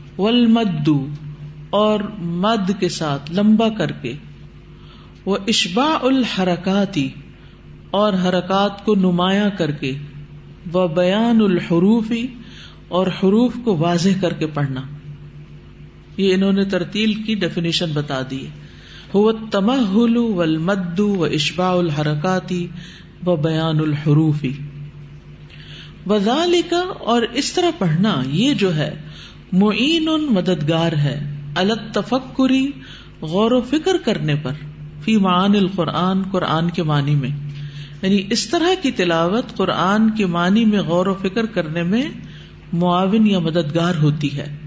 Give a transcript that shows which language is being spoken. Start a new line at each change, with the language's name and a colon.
Urdu: والمد، اور مد کے ساتھ لمبا کر کے. وہ اشباع الحرکات، اور حرکات کو نمایاں کر کے. وہ بیان الحروف، اور حروف کو واضح کر کے پڑھنا. یہ انہوں نے ترتیل کی ڈیفینیشن بتا دی ہے.
Arabic: هو التمهل والمد واشباع الحرکات وبیان الحروف.
Urdu: وذالک، اور اس طرح پڑھنا، یہ جو ہے معین، مددگار ہے.
Arabic: علی التفکر،
Urdu: غور و فکر کرنے پر.
Arabic: فی معانی القرآن،
Urdu: قرآن کے معنی میں، یعنی اس طرح کی تلاوت قرآن کے معنی میں غور و فکر کرنے میں معاون یا مددگار ہوتی ہے.